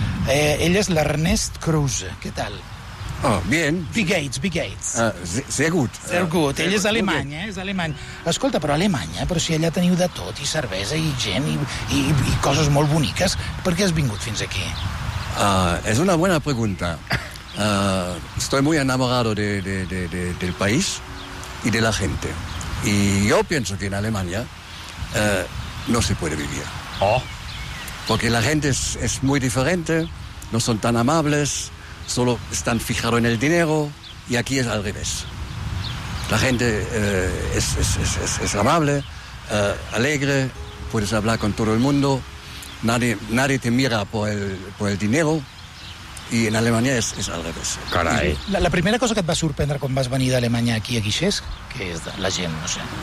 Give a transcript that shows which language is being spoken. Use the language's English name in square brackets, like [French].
[Catalan] Ell és l'Ernest Cruz. Què tal? [Spanish] Oh, bien. Bigates. [German] Sehr gut. [Catalan] Ell és alemany, okay. És alemany. Escolta, però Alemanya, però si allà teniu de tot, i cervesa, i gent, i coses molt boniques, per què has vingut fins aquí? És una bona pregunta. [Spanish] Estoy muy enamorado del país y de la gente. Y yo pienso que en Alemania no se puede vivir. Oh. Porque la gente es muy diferente, no son tan amables... Solo están fijados en el dinero y aquí es al revés. La gente es amable, alegre, puedes hablar con todo el mundo, nadie te mira por el dinero y en Alemania es al revés. [Catalan] Carai. La primera cosa que et va sorprendre quan vas venir d'Alemanya aquí a Guixers, que és la gent, no sé.